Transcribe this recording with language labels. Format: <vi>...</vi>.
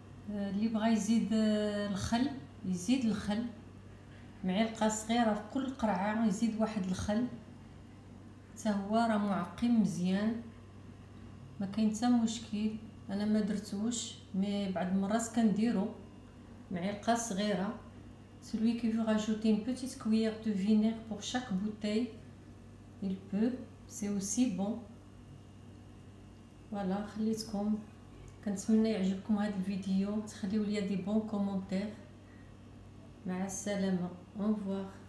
<ar>اللي بغى يزيد الخل يزيد الخل، معلقه صغيره في كل قرعه يزيد واحد الخل، حتى هو راه معقم مزيان، ما كاين حتى مشكل. انا ما درتوش، مي بعض المرات كنديرو معلقه صغيره.</ar> <fr>Celui qui veut rajouter une petite cuillère de vinaigre pour chaque bouteille, il peut, c'est aussi bon.</fr> <ar>Voilà, خليتكم كنتمنى يعجبكم هذا الفيديو، تخليوا لي</ar> <fr>دي بون كومونتير.</fr> <ar>مع السلامة،</ar> <fr>au revoir.</fr>